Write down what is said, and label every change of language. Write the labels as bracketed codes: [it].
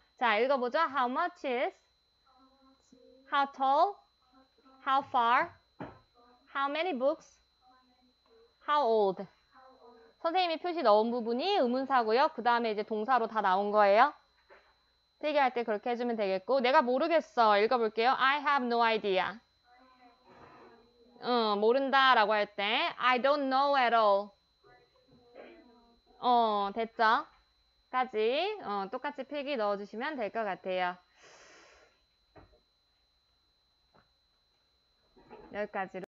[en] 자, 읽어보죠. How much is? How tall? How far? How many books? How old? [ko] 선생님이 표시 넣은 부분이 의문사고요. 그 다음에 이제 동사로 다 나온 거예요. 필기할 때 그렇게 해주면 되겠고. 내가 모르겠어. 읽어볼게요. [en] I have no idea. [ko] 모른다 라고 할 때, [en] I don't know at all. [ko] 됐죠? 까지, 똑같이 필기 넣어주시면 될것 같아요. 여기까지로.